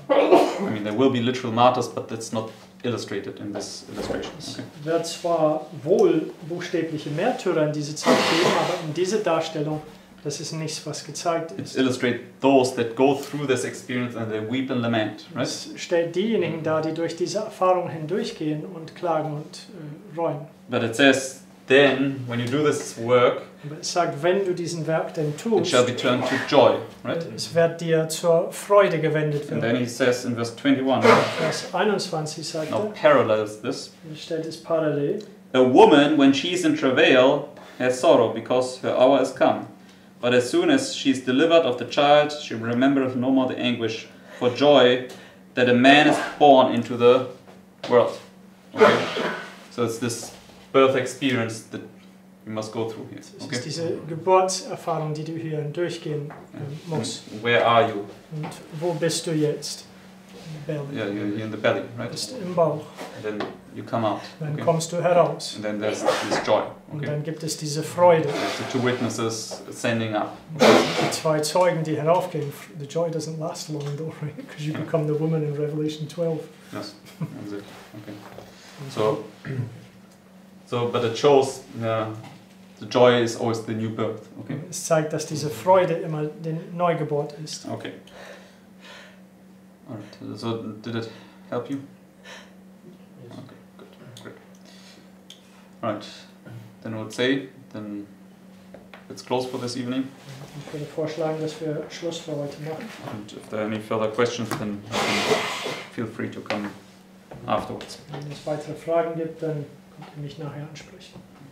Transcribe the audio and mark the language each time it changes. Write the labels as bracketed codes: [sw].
[en] I mean, there will be literal martyrs, but that's not illustrated in this illustration. [de] Okay. Es wird zwar wohl buchstäbliche Märtyrer in dieser Zeit geben, aber in dieser Darstellung, das ist nichts, was gezeigt ist. [en] It illustrates those that go through this experience and they weep and lament, right? [de] Es stellt diejenigen dar, die durch diese Erfahrung hindurchgehen und klagen und reuen. [en] But it says, then, when you do this work, [de] aber es sagt, wenn du diesen Werk denn tust, [en] it shall be turned to joy, right? [de] Es wird dir zur Freude gewendet werden. [en] And then he says in verse 21, [de] Vers 21 sagt [en] now parallels this. [de] Er stellt es parallel. [en] A woman, when she is in travail, has sorrow, because her hour has come. But as soon as she is delivered of the child, she remembereth no more the anguish for joy that a man is born into the world. Okay? So it's this birth experience that you must go through here. Okay? [de] Es ist diese Geburtserfahrung, die du hier durchgehen musst. [en] And where are you? [de] Und wo bist du jetzt? [en] In the belly. Yeah, you're in the belly, right? [de] Bist im Bauch. [en] And then you come out. [de] Dann okay. kommst du heraus. [en] And then there's this joy. Okay. [de] Und dann gibt es diese Freude. [en] Yeah, the two witnesses ascending up. [de] Die zwei Zeugen, die heraufgehen. [en] The joy doesn't last long, though, right? Because you become the woman in Revelation 12. Yes, that's it. Okay. So, but it shows, the joy is always the new birth. Okay. [de] Es zeigt, dass diese Freude immer die Neugeburt ist. [en] Okay. All right. So, did it help you? Right, then we'll say, then it's close for this evening. [de] Ich würde vorschlagen, dass wir Schluss für heute machen. [en] And if there are any further questions, then feel free to come afterwards. [de] Wenn es weitere Fragen gibt, dann könnt ihr mich nachher ansprechen.